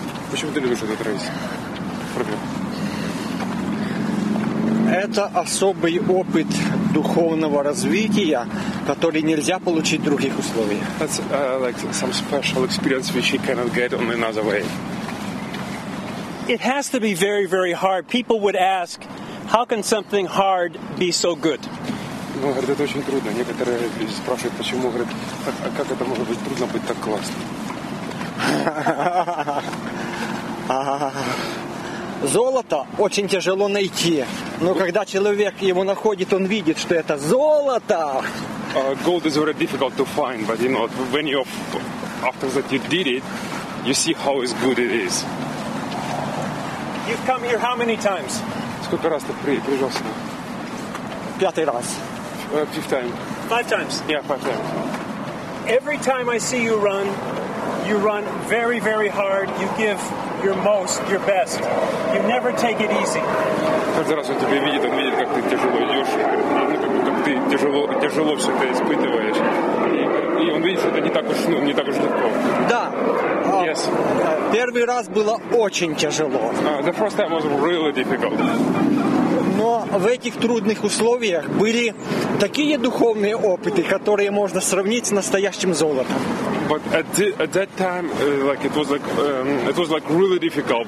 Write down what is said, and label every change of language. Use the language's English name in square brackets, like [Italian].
[Russian] Почему ты любишь этот рейс? Это особый опыт духовного развития, который нельзя получить в других условиях. [English] That's like some special experience which you cannot get on another way. It has to be very, very hard. People would ask, how can something hard be so good? [Russian] Ну, говорит, это очень трудно. Некоторые люди спрашивают, почему, говорит, а как это может быть трудно быть так классно? Золото очень тяжело найти. Но когда человек его находит, он видит, что это золото. [English] Gold is very difficult to find, but you know, when you after that you did it, you see how is good it is. You've come here how many times? [Russian] Сколько раз ты приезжал сюда? Пятый раз. [English] Fifth time. Five times. Yeah, five times. Every time I see you run, you run very, very hard. You give your most, your best. You never take it easy. [Russian] Каждый раз он тебя видит, он видит, как ты тяжело идешь, как ты тяжело все это испытываешь. И он видит, что это не так уж легко. Да. [English] Yes. [Russian] Первый раз было очень тяжело. [English] The first time was really difficult. [Russian] Но в этих трудных условиях были такие духовные опыты, которые можно сравнить с настоящим золотом. [English] But at that time, like it was like really difficult.